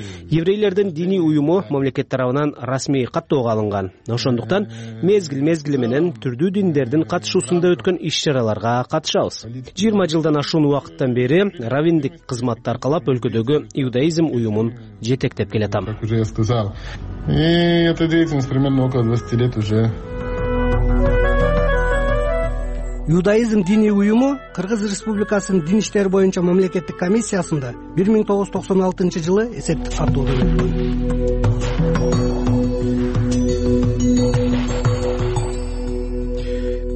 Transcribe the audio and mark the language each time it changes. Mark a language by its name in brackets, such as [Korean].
[Kyrgyz] Еврейлердин диний уюму мамлекет тарабынан расмий каттоого алынган. Ошондуктан мезгил-мезгили менен түрдүү диндердин катышуусунда өткөн иш-чараларга катышабыз. 20 жылдан ашуун убакыттан бери равиндик кызматты аркалап өлкөдөгү иудаизм уюмун жетектеп келатам. [Russian] Уже я сказал. И эта деятельность примерно около 20 лет уже. [Kyrgyz] Юдаизм диний уюму Кыргыз Республикасынын дин иштери боюнча мамлекеттик комиссиясында 1996 жылы эсептик каттоо өткөрүлгөн.